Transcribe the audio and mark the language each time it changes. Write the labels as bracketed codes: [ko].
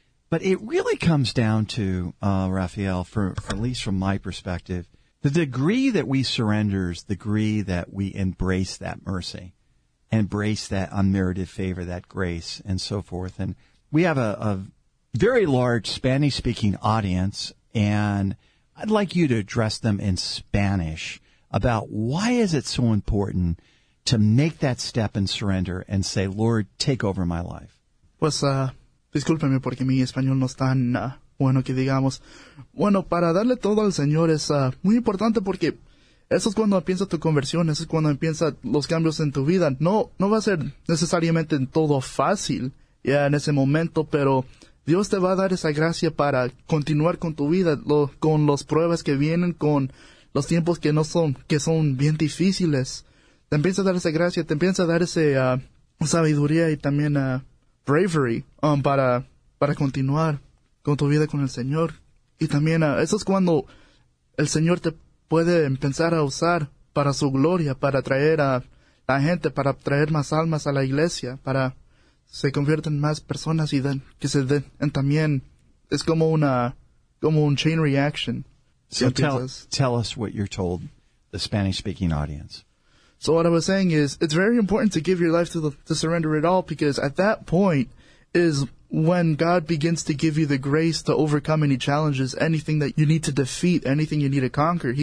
[en] But it really comes down to, Rafael, for at least from my perspective, the degree that we surrender is the degree that we embrace that mercy, embrace that unmerited favor, that grace, and so forth. And we have a very large Spanish-speaking audience, and I'd like you to address them in Spanish about why is it so important to make that step and surrender and say, Lord, take over my life. [es] Pues, discúlpeme porque mi español no es tan bueno que digamos. Bueno, para darle todo al Señor es muy importante porque eso es cuando empieza tu conversión, eso es cuando empieza los cambios en tu vida. No va a ser necesariamente en todo fácil ya en ese momento, pero Dios te va a dar esa gracia para continuar con tu vida, con las pruebas que vienen, con los tiempos que no son, que son bien difíciles. Te empieza a dar esa gracia, te empieza a dar esa sabiduría y también bravery para continuar con tu vida con el Señor. Y también eso es cuando el Señor te puede empezar a usar para su gloria, para traer a la gente, para traer más almas a la iglesia, para se convierten más personas y den, que se den. Y también es como una como un [en] chain reaction. So tell us what you're told the Spanish-speaking audience. So what I was saying is, it's very important to give your life to surrender it all, because at that point is when God begins to give you the grace to overcome any challenges, anything that you need to defeat, anything you need to conquer.